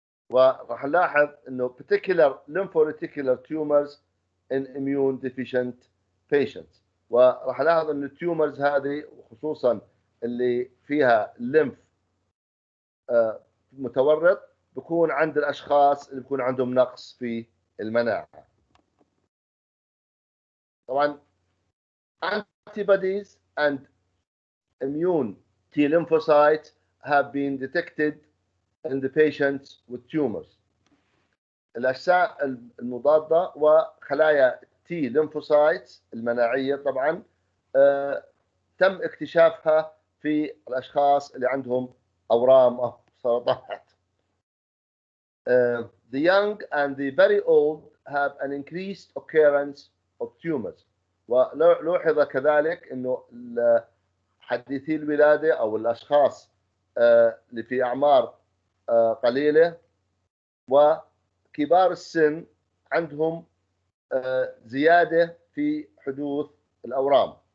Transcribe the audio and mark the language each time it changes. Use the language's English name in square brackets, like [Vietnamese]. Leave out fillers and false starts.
[Arabic] وراح نلاحظ انه [English] particular lymphoreticular tumors in immune deficient patients. [Arabic] وراح نلاحظ انه tumors هذه خصوصا اللي فيها lymph متورط بكون عند الاشخاص اللي بكون عندهم نقص في المناعه. [English] طبعا antibodies and immune T lymphocytes have been detected in the patients with tumors. [Arabic] الأجسام المضادة وخلايا T lymphocytes المناعية طبعا تم اكتشافها في الأشخاص اللي عندهم أورام أو سرطانات. [English] The young and the very old have an increased occurrence of tumors. [Arabic] ولوحظ كذلك أنه حديثي الولادة أو الأشخاص اللي في أعمار قليلة وكبار السن عندهم زيادة في حدوث الأورام.